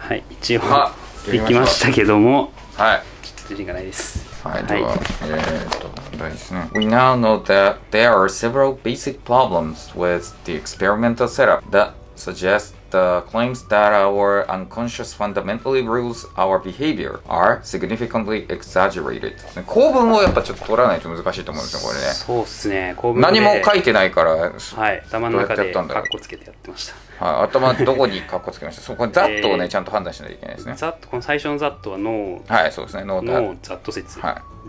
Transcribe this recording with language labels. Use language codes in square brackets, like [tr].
[ja] 一応行きましたけども、はい、ちょっと自信がないです。はい、では、ですね、 [en] We now know that there are several basic problems with the experimental setup that suggest the claims that our unconscious fundamentally rules our behavior are significantly exaggerated。 [ja] 構文をやっぱちょっと取らないと難しいと思うんですよ、これね。そうっすね、構文で何も書いてないから、はい、頭の中でカッコつけてやってました。はい、頭どこにカッコつけました。そこザットをね、ちゃんと判断しないといけないですね。ザット、この最初のザットはノー。はい、そうですね。ノーザット説。はい。